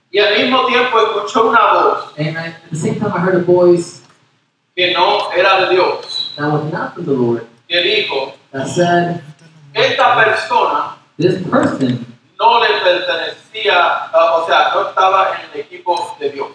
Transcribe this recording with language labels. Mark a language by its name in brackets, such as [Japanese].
[Spanish] Y al mismo tiempo escuchó una voz, [English] and at the same time I heard a voice, [Spanish] que no era de Dios, [English] that was not from the Lord, [Spanish] que dijo, [English] that said, [Spanish] esta persona, [English] this person, [Spanish] no le pertenecía, o sea, no estaba en el equipo de Dios.